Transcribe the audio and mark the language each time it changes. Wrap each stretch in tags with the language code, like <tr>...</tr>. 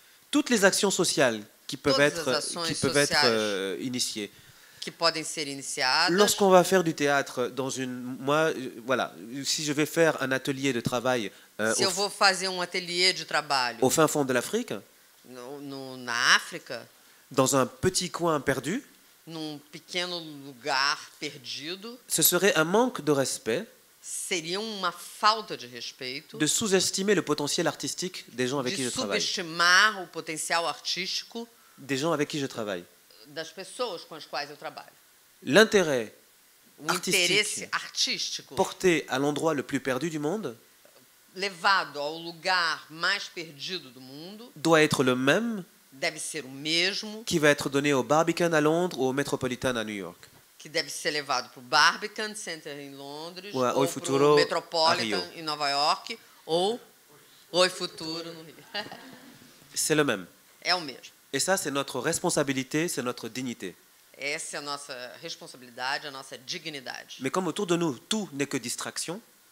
<fr>Toutes les actions sociales qui peuvent être initiées.</fr> <pt>Que podem ser iniciadas.</pt> <fr>Lorsqu'on va faire du théâtre dans une, moi, voilà, si je vais faire un atelier de travail.</fr> <pt>Se eu vou fazer um ateliê de trabalho.</pt> <fr>Au fin fond de l'Afrique.</fr> <pt>Na África.</pt> <fr>Dans un petit coin perdu.</fr> <pt>Num pequeno lugar perdido.</pt> <fr>Ce serait un manque de respect.</fr> <pt>Seria uma falta de respeito.</pt> <fr>De sous-estimer le potentiel artistique des gens avec qui je travaille.</fr> <pt>De subestimar o potencial artístico.</pt> <fr>Des gens avec qui je travaille.</fr> <pt>Das pessoas com as quais eu trabalho.</pt> <fr>L'intérêt</fr> <pt>interesse artístico</pt> <fr>porté à l'endroit le plus perdu du monde,</fr> <pt>levado ao lugar mais perdido do mundo,</pt> <fr>doit être le même,</fr> <pt>deve ser o mesmo</pt> <fr>qui va être donné au Barbican à Londres ou au Metropolitan à New York.</fr> <pt>que deve ser levado para o Barbican Center em Londres, well, ou o futuro pro Metropolitan em Nova York, ou Oi Futuro no Rio.</pt> <fr>C'est le même.</fr> <pt>É o mesmo.</pt> <fr>Et ça, c'est notre responsabilité, c'est notre dignité.</fr> <pt>Essa é a nossa responsabilidade, a nossa dignidade.</pt> <fr>Mais comme autour de nous, tout n'est que distraction.</fr>